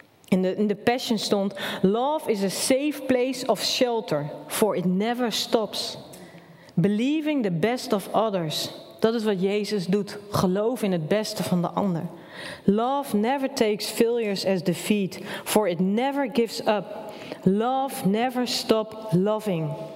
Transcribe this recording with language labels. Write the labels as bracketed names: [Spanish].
[English] In the Passion stond, love is a safe place of shelter, for it never stops. Believing the best of others. [Dutch] Dat is wat Jezus doet. Geloof in het beste van de ander. [English] Love never takes failures as defeat, for it never gives up. Love never stops loving.